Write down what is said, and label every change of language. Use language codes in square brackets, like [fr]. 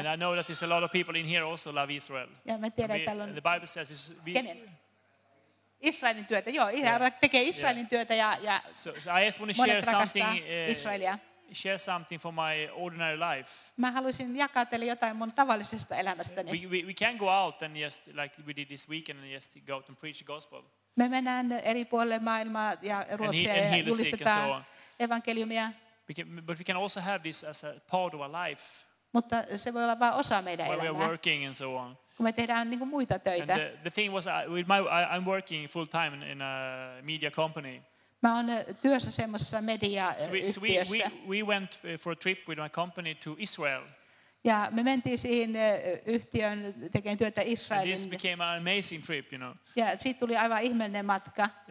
[en] And I know that there's a lot of people in here also love Israel. [fi] Ja mä tiedän, että täällä on... [en] The Bible says we [fi] kenen? Israelin työtä. Joo, tekee Israelin työtä ja [en] so I just want to share something [fi] Israelia. [en] Share something from my ordinary life. [fi] Mä haluaisin jakaa teille jotain mun tavallisesta elämästäni. [en] We can go out and just like we did this weekend and just go out and preach the gospel. [fi] Me mennään eri puolille maailmaa ja Ruotsia ja julistetaan evankeliumia. [en] But we can also have this as a part of our life. [fi] Mutta se voi olla vain osa meidän elämää. [en] While we're working and so on. [fi] Kun me tehdään niinku muita töitä. [en] The thing was I'm working full time in a media company. [fi] Mä oon työssä semmoisessa media-yhtiössä. [en] So we went for a trip with my company to Israel. [fi] Ja me mentiin siihen yhtiön tekemään työtä Israelin. [en] This became an amazing trip, you know. [fi] Ja siitä tuli aivan ihmeellinen matka.